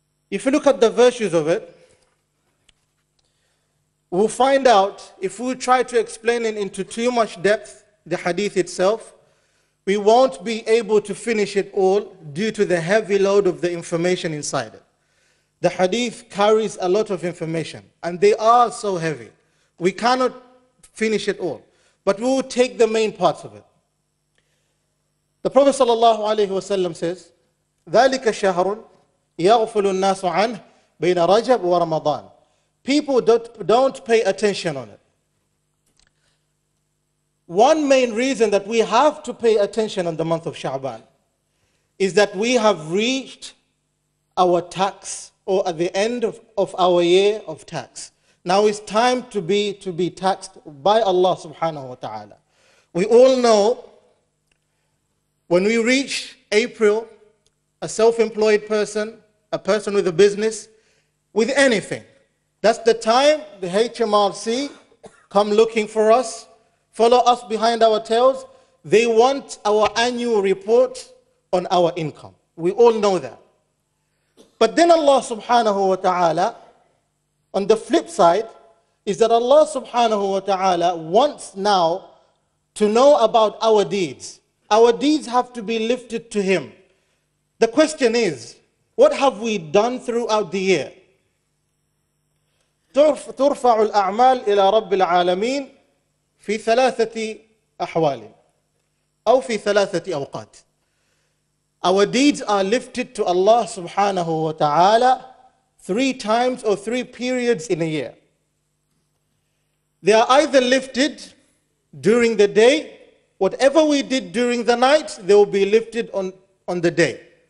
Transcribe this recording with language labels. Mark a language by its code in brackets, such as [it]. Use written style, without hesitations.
[en] If you look at the verses of it, we'll find out, if we try to explain it into too much depth, the hadith itself, we won't be able to finish it all due to the heavy load of the information inside it. The hadith carries a lot of information, and they are so heavy. We cannot finish it all, but we will take the main parts of it. The Prophet sallallahu alayhi wasallam says, [ar] ذَلِكَ شَهْرٌ يَغْفُلُ النَّاسُ عَنْهُ بَيْنَ رَجَبْ وَرَمَضَانِ. [en] People don't pay attention on it. One main reason that we have to pay attention on the month of Sha'ban is that we have reached our tax, or at the end of our year of tax. Now it's time to be taxed by Allah subhanahu wa ta'ala. We all know when we reach April, a self-employed person, a person with a business, with anything, that's the time the HMRC come looking for us, follow us behind our tails. They want our annual report on our income. We all know that. But then Allah subhanahu wa ta'ala, on the flip side, is that Allah subhanahu wa ta'ala wants now to know about our deeds. Our deeds have to be lifted to Him. The question is, what have we done throughout the year? [ar] ترفع الأعمال إلى رب العالمين في ثلاثة أحوال أو في ثلاثة أوقات. [en] Our deeds are lifted to Allah subhanahu wa ta'ala three times or three periods in a year. They are either lifted during the day, whatever we did during the night, they will be lifted on the day.